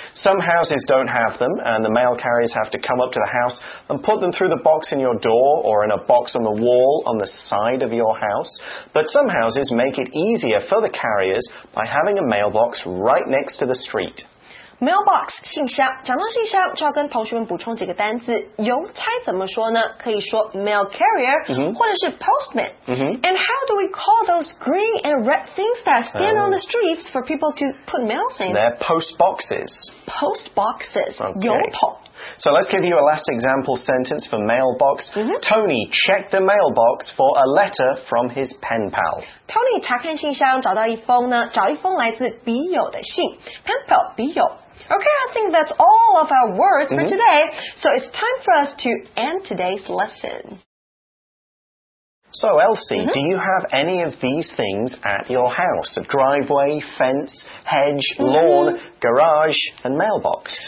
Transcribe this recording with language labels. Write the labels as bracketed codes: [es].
[en] Some houses don't have them, and the mail carriers have to come up to the house and put them through the box in your door or in a box on the wall on the side of your house. But some houses make it easier for the carriers by having a mailbox right next to the street. Mailbox, 信箱。 [zh] 讲到信箱，就要跟同学们补充几个单字。邮差怎么说呢？可以说 mail carrier, 或者是 postman. [en] And how do we call those green and red things that stand on the streets for people to put mail in? They're post boxes. Post boxes, 邮筒。 So let's give you a last example sentence for mailbox. Tony checked the mailbox for a letter from his pen pal. [zh] Tony 查看信箱，找到一封呢，找一封来自笔友的信。 [en] Pen pal, 笔友。 Okay, I think that's all of our words for today. So it's time for us to end today's lesson. So, Elsie, do you have any of these things at your house? A driveway, fence, hedge, lawn, garage, and mailbox.